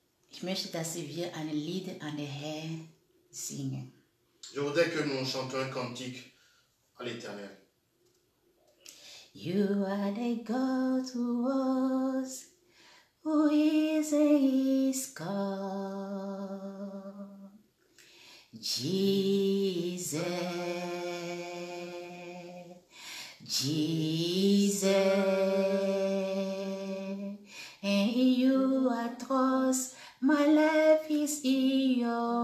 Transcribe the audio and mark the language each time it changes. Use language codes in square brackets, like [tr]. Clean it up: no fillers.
[de] ich möchte, dass wir ein Lied an den Herrn singen. [fr] Je voudrais que nous chantons un cantique à l'Éternel. [en] You are the God who was, who is and is God. Jesus, and you are trust, my life is in your